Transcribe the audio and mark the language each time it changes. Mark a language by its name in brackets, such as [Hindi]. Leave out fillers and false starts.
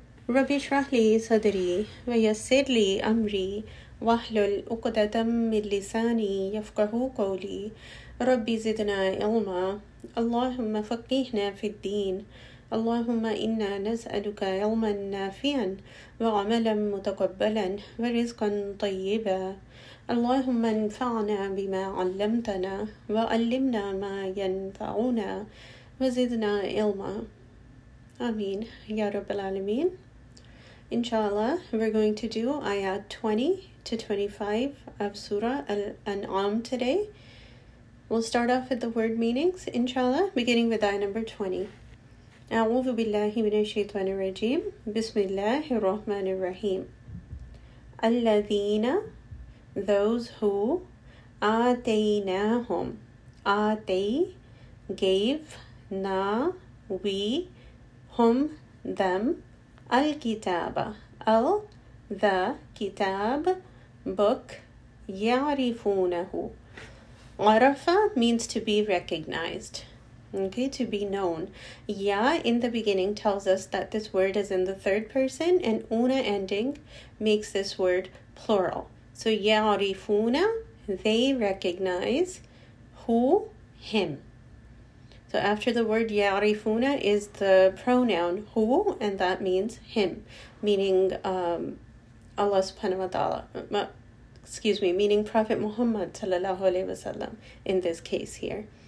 [Arabic] رب اشرح لي صدري ويسر لي أمري واحلل عقدة من لساني يفقه قولي، رب زدنا علما، اللهم فقهنا في الدين، اللهم إنا نسألك علما نافعا وعملا متقبلا ورزقا طيبا، اللهم انفعنا بما علمتنا وعلمنا ما ينفعنا وزدنا علما، آمين يا رب العالمين. [English] Inshallah, we're going to do ayah 20 to 25 of Surah Al-An'am today. We'll start off with the word meanings, inshallah, beginning with ayah number 20. [Arabic] أعوذ بالله من الشيطان الرجيم بسم الله الرحمن الرحيم الذين [English] those who [Arabic] آتيناهم آتي [English] gave [Arabic] na [English] we [Arabic] هم [English] them [Arabic] الكتاب ال [English] the [Arabic] كتاب [English] book [Arabic] يعرفونه عرفة [English] means to be recognized. Okay, to be known. Ya in the beginning tells us that this word is in the third person, and una ending makes this word plural. So ya'rifuna, they recognize, who, him. So after the word ya'rifuna is the pronoun who, and that means him, meaning Allah subhanahu wa ta'ala, meaning Prophet Muhammad sallallahu alayhi wa sallam in this case here.